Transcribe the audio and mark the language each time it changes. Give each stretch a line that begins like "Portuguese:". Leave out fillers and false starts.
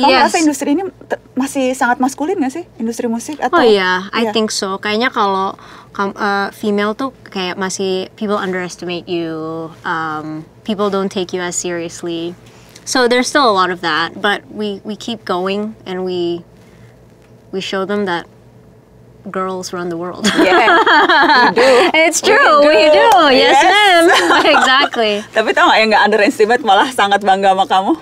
Indonesian: Kamu rasa industri ini masih sangat maskulin gak sih? Industri musik atau?
English: Oh iya, yeah. I think so.
Indonesian: Kayaknya kalau female tuh kayak masih
English: people underestimate you, people don't take you as seriously. So there's still a lot of that, but we keep going and we show them that girls run the world. Yeah, we do. It's true, we do. Yes, ma'am. Exactly.
Indonesian: Tapi tau gak yang gak underestimate malah sangat bangga sama kamu?